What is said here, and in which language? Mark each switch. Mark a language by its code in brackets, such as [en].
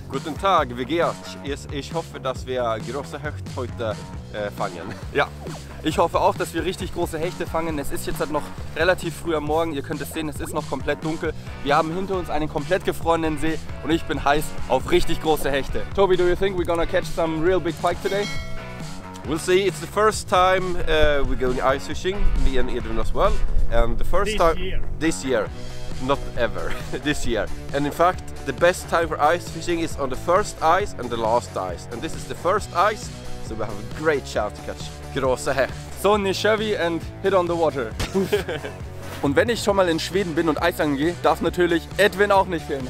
[de] Guten Tag, wie geht's? Ich hoffe, dass wir große Hechte heute fangen. Ja, ich hoffe auch, dass wir richtig große Hechte fangen. Es ist jetzt halt noch relativ früh am Morgen. Ihr könnt es sehen, es ist noch komplett dunkel. Wir haben hinter uns einen komplett gefrorenen See und ich bin heiß auf richtig große Hechte. [en] Tobi, do you think we're gonna catch some real big pike today? We'll see. It's the first time we're going ice fishing, me and Edwin as well. And the first this time year. This year. Not ever. This year. And in fact, the best time for ice fishing is on the first ice and the last ice. And this is the first ice, so we have a great chance to catch [de] große Hecht. [en] So in the Chevy and hit on the water. [de] Und wenn ich schon mal in Schweden bin und Eisangeln gehe, darf natürlich Edwin auch nicht fehlen.